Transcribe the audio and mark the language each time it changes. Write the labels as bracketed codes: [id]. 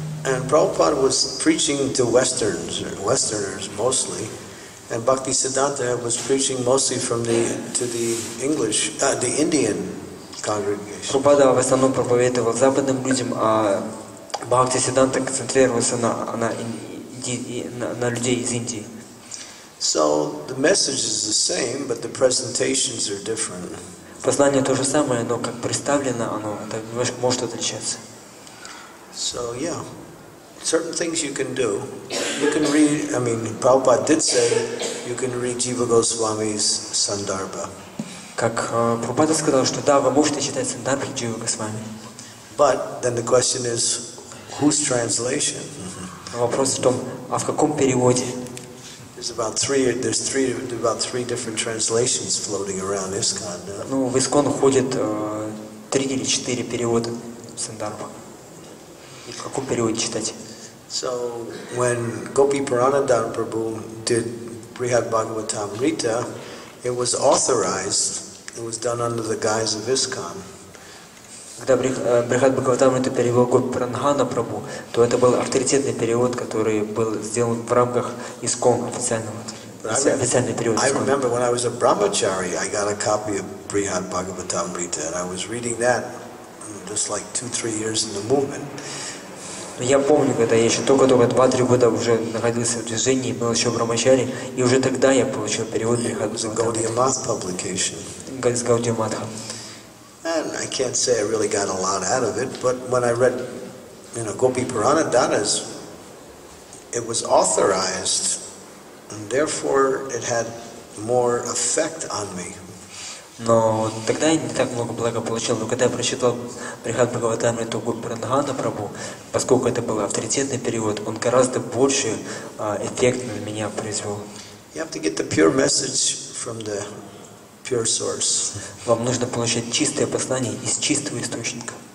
[en] And Prabhupada was preaching to Westerners mostly. And Bhakti Siddhanta was preaching mostly from the Indian congregation. [ru] Прабхупада в основном проповедовал западным людям, а Бхакти Сиддханта концентрировался на людей из Индии. [en] So the message is the same, but the presentations are different. [ru] Послание то же самое, но как представлено, оно может отличаться. [en] So yeah. certain things you can do. You can read, I mean, Prabhupada did say, you can read Jiva Goswami's Sandarbha. [ru] Как Прабхупада сказал, что да, вы можете читать Сандарбху и Джива Госвами. [en] But then the question is, whose translation? [ru] Вопрос в том, а в каком переводе? [en] There's about three different translations floating around ISKCON. [ru] Ну, в ISKCON ходит три или четыре перевода Сандарбху. И в каком переводе читать? [en] So when Gopi Puranadhar Prabhu did Brihad Bhagavatamrita, it was authorized. It was done under the guise of ISKCON. [ru] Когда Брихад Бхагаватамрита перевел Гопи Пранхана Прабху, то это был авторитетный перевод, который был сделан в рамках ИСККОН официального. Официальный перевод. [en] I remember when I was a brahmachari, I got a copy of Brihad Bhagavatamrita, and I was reading that just like 2-3 years in the movement. [ru] Я помню, когда я еще только 2-3 года уже находился в движении, был еще в брамачари, и уже тогда я получил перевод Брихад Бхагаватамрита. [en] And I can't say I really got a lot out of it, but when I read, you know, Gopi Puranadhana's, it was authorized, and therefore it had more effect on me. [ru] Но тогда я не так много блага получил, но когда я прочитал Брихад Бхагаватамриту Гопи Пранхана Прабху, поскольку это был авторитетный перевод, он гораздо больше эффект на меня произвел. [en] You have to get the pure message from the pure source. [ru] Вам нужно получать чистое послание из чистого источника.